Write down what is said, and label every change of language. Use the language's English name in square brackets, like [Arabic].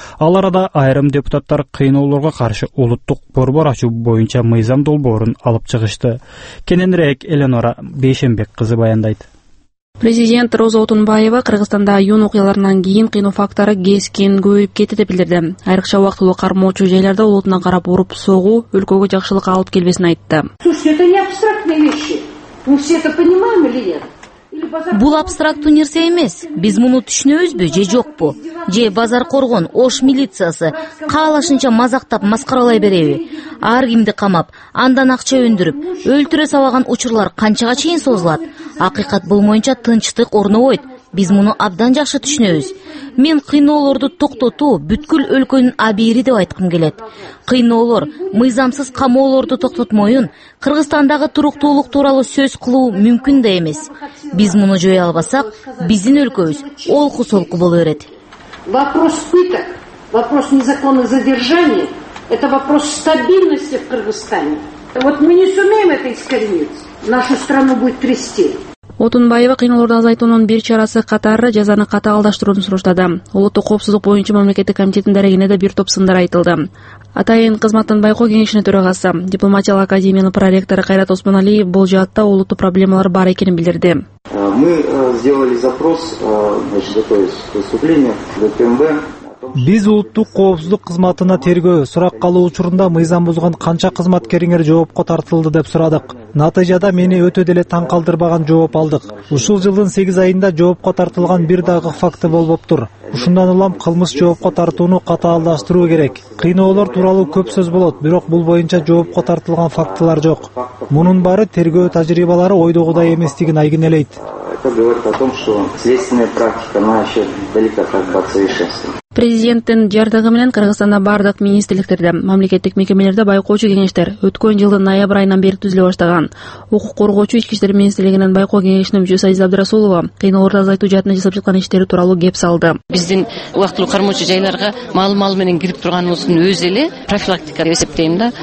[Kyrgyz] Ал арада айрым депутаттар кыйноолорго каршы улуттук борбор ачуу боюнча мыйзам долбоорун алып чыгышты. Кененирээк Эленор Бейшенбек кызы баяндайт. Президент Роза Отунбаева Кыргызстанда июнь окуяларынан кийин кыйноо фактору кескин көбөйүп кетти деп билдирди. Айрыкча убактылуу кармоочу жайларда улутуна карап уруп согуу өлкөгө жакшылык алып келбесин айтты. [Russian] Слушайте, это не абстрактные вещи. Мы все это понимаем или нет? [Kyrgyz] Бул абстрактуу нерсе эмес. Биз муну түшүнөбүзбү же жокпу? Же базар коргон, Ош милициясы каалашынча мазактап маскаралай береби? Ар кимди камап, андан акча өндүрүп, өлтүрө сабаган учурлар канчага чейин созулат? Акыйкат бул боюнча тынчтык орнобойт. Биз муну абдан жакшы түшүнөбүз. Мен кыйноолорду токтотуу бүткүл өлкөнүн абийири деп айткым келет. Кыйноолор мыйзамсыз камоолорду токтотмоюн, Кыргызстандагы туруктуулук тууралуу сөз кылуу мүмкүн да эмес. Биз муну жоя албасак, биздин өлкөбүз олку-солку боло берет. [Russian] Вопрос пыток, вопрос незаконных задержаний – это вопрос стабильности в Кыргызстане. Вот мы не сумеем это искоренить, нашу страну будет трясти. [Kyrgyz] Отунбаева кыйноолорду азайтуунун бир чарасы катары жазаны катаалдаштырууну сурашты. Улуттук коопсуздук боюнча мамлекеттик комитеттин дарегине да бир топ сындар айтылды. Атайын кызматтын байкоо кеңешинин төрагасы, дипломатиялык академиянын проректору Кайрат Осмоналиев бул жаатта улуттук проблемалар бар экенин билдирди. [Russian] Мы сделали запрос, значит, готовясь к выступлению в ДКМВ. [Kyrgyz] Биз улуттук коопсуздук кызматына тергөө сурак калуу учурунда мыйзам бузган канча кызматкериңер жоопко тартылды деп сурадык. Натыйжада мени өтө деле таң калтырбаган жооп алдык. Ушул жылдын 8 айында жоопко тартылган бир дагы факты болбоптур. Ушундан улам кылмыш жоопко тартууну катаалдаштыруу керек. Кыйноолор тууралуу көп сөз болот, бирок бул боюнча жоопко тартылган фактылар жок. Мунун баары тергөө тажрыйбалары ойдогудай эместигин айгинелейт. [Russian] Это говорит о том, что следственная практика, она еще далека как бы от совершенства. [Kyrgyz] Президенттин жардыгы менен Кыргызстанда бардык министрликтерде, мамлекеттик мекемелерде байкоочу кеңештер өткөн жылдын ноябрь айынан бери түзүлө баштаган. Укук коргоочу Ички иштер министрлигинин байкоо кеңешинин мүчөсү Азиза Абдырасулова кыйноолорду азайтуу жаатында жасап жаткан иштери тууралуу кеп салды. Биздин убактылуу кармоочу жайларга маалымал менен кирип турганыбыздын өзү эле профилактика деп эсептейм да.